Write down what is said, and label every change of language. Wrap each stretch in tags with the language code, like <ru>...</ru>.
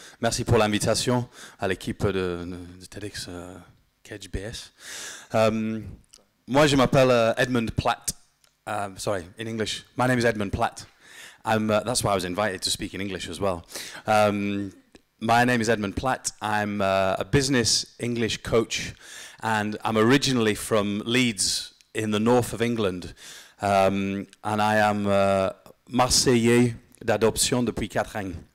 <fr>Merci pour l'invitation à l'équipe de TEDx Cage BS. Moi, je m'appelle Edmund Platt.</fr> <en>Sorry, in English. My name is Edmund Platt. That's why I was invited to speak in English as well. My name is Edmund Platt. I'm a business English coach, and I'm originally from Leeds in the north of England.</en> <fr>And I am Marseillais d'adoption depuis 4 ans.</fr>